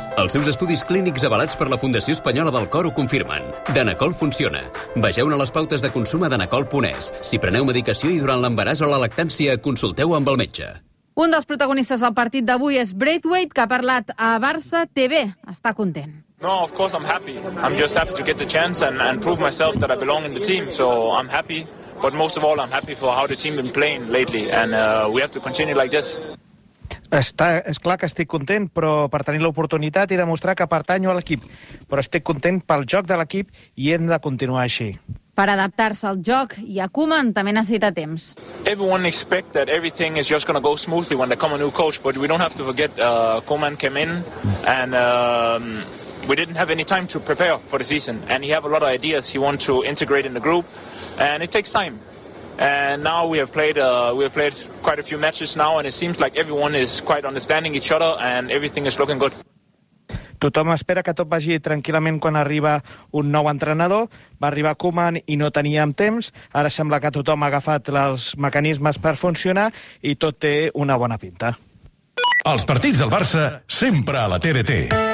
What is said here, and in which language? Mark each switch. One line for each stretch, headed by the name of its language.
Catalan: Els seus estudis clínics avalats per la Fundació Espanyola del Cor ho confirmen. Danacol funciona. Vegeu-ne les pautes de consum a danacol.es. Si preneu medicació i durant l'embaràs o la lactància, consulteu amb el metge. Un dels protagonistes del partit d'avui és Braithwaite, que ha parlat a Barça TV. Està content.
English: No, of course I'm happy. I'm just happy to get the chance and prove myself that I belong in the team, so I'm happy. But most of all, I'm happy for how the team been playing lately, and we have to continue like this.
Catalan: És clar que estic content però per tenir l'oportunitat i demostrar que pertanyo a l'equip, però estic content pel joc de l'equip i hem de continuar així. Per adaptar-se al joc i a Koeman també necessita temps.
English: Everyone expect that everything is just going to go smoothly when they come a new coach, but we don't have to forget Koeman came in and we didn't have any time to prepare for the season, and he have a lot of ideas he want to integrate in the group, and it takes time. And now we have played quite a few matches now, and it seems like everyone is quite understanding each other and everything is looking good.
Catalan: Tothom espera que tot vagi tranquil·lament quan arriba un nou entrenador. Va arribar Koeman i no teníem temps. Ara sembla que tothom ha agafat els mecanismes per funcionar i tot té una bona pinta. Els partits del Barça sempre a la TDT.